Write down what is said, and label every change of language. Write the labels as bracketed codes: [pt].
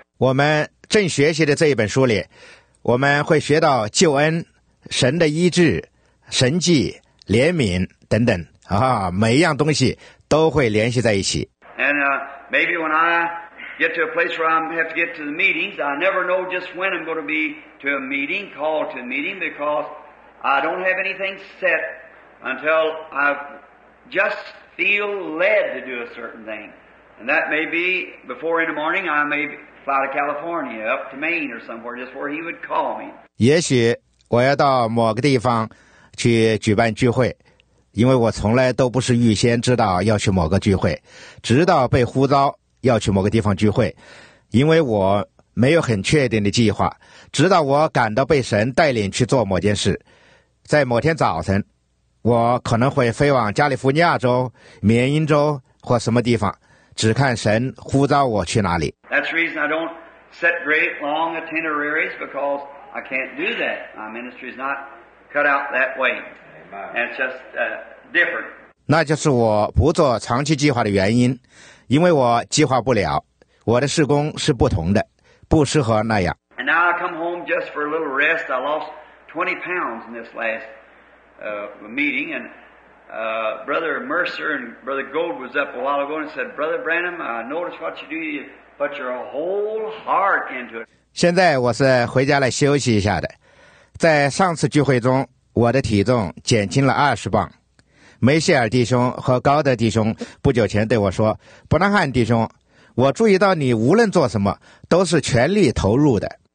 [zh] 我们正学习的这一本书里，我们会学到救恩、神的医治、神迹、怜悯等等啊，每一样东西都会联系在一起。 [en] And maybe when I get to a place where I have to get to the meetings, I never know just when I'm going to be to a meeting, called to a meeting, because I don't have anything set until I've just. Feel led to do a certain thing, and that may be before in the morning. I may fly to California, up to Maine or somewhere, just where he would call me. [zh] 也许我要到某个地方去举办聚会，因为我从来都不是预先知道要去某个聚会，直到被呼召要去某个地方聚会，因为我没有很确定的计划，直到我感到被神带领去做某件事，在某天早晨。我可能会飞往加利福尼亚州、缅因州或什么地方，只看神呼召我去哪里。 [en] That's the reason I don't set great long itineraries because I can't do that. My ministry is not cut out that way. And it's just different. [zh] 那就是我不做长期计划的原因，因为我计划不了，我的事工是不同的，不适合那样。 [en] And now I come home just for a little rest. I lost 20 pounds in this last. Meeting and Brother Mercer and Brother Gold was up a while ago and said, Brother Branham, I noticed what you do, you put your whole heart into it. [zh] 现在我是回家来休息一下的，在上次聚会中，我的体重减轻了20磅。梅谢尔弟兄和高德弟兄不久前对我说，伯纳汉弟兄，我注意到你无论做什么都是全力投入的。